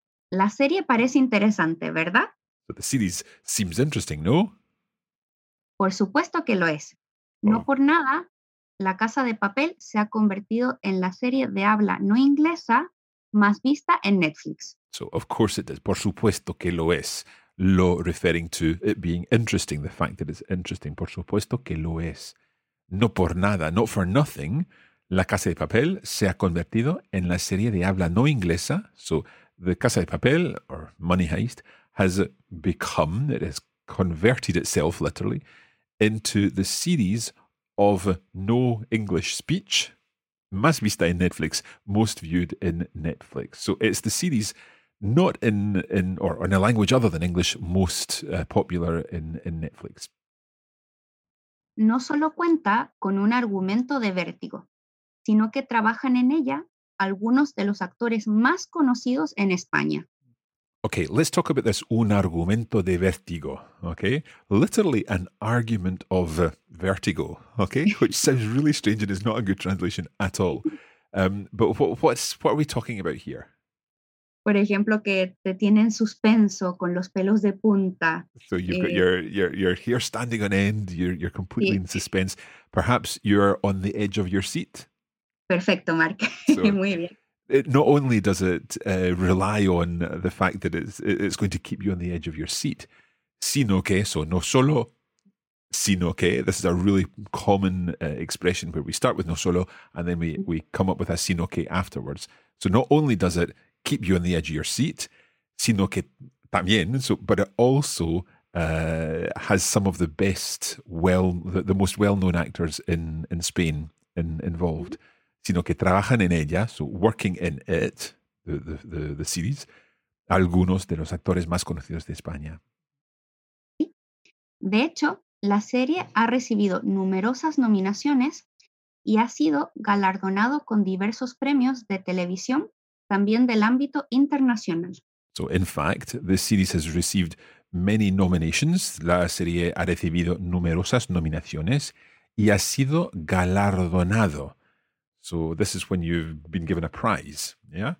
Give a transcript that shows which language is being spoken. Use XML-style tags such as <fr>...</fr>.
<es>La serie parece interesante, ¿verdad?</es> <en>So the series seems interesting, ¿no?</en> <es>Por supuesto que lo es. No por nada, La Casa de Papel se ha convertido en la serie de habla no inglesa más vista en Netflix.</es> <en>So, of course it is.</en> <es>Por supuesto que lo es.</es> <en>Lo referring to it being interesting, the fact that it's interesting.</en> <es>Por supuesto que lo es. No por nada,</es> <en>not for nothing,</en> <es>La Casa de Papel se ha convertido en la serie de habla no inglesa.</es> <en>So, The Casa de Papel, or Money Heist, has become, it has converted itself literally into the series of no English speech</en> <es>más vista</es> <en>in Netflix, most viewed in Netflix. So it's the series not in or in a language other than English most popular in Netflix.</en> <es>No solo cuenta con un argumento de vértigo, sino que trabajan en ella algunos de los actores más conocidos en España.</es> <en>Okay, let's talk about this</en> <es>un argumento de vértigo,</es> <en>okay? Literally an argument of vertigo, okay? Which sounds really strange and is not a good translation at all. But what are we talking about here?</en> <es>Por ejemplo, que te tienen suspenso con los pelos de punta.</es> <en>So you've got your hair standing on end, you're completely in suspense. Perhaps you're on the edge of your seat.</en> <es>Perfecto, Mark. Muy bien.</es> <en>It not only does it rely on the fact that it's going to keep you on the edge of your seat,</en> <es>sino que,</es> <en>so</en> <es>no solo, sino que,</es> <en>this is a really common expression where we start with no solo and then we come up with a sino que afterwards. So not only does it keep you on the edge of your seat,</en> <es>sino que también,</es> <en>but it also has some of the best, the most well-known actors in Spain involved.</en> <es>Sino que trabajan en ella,</es> <en>so working in it, the series,</en> <es>algunos de los actores más conocidos de España. De hecho, la serie ha recibido numerosas nominaciones y ha sido galardonado con diversos premios de televisión, también del ámbito internacional.</es> <en>So, in fact, this series has received many nominations.</en> <es>La serie ha recibido numerosas nominaciones y ha sido galardonado.</es> <en>So, this is when you've been given a prize, yeah?</en>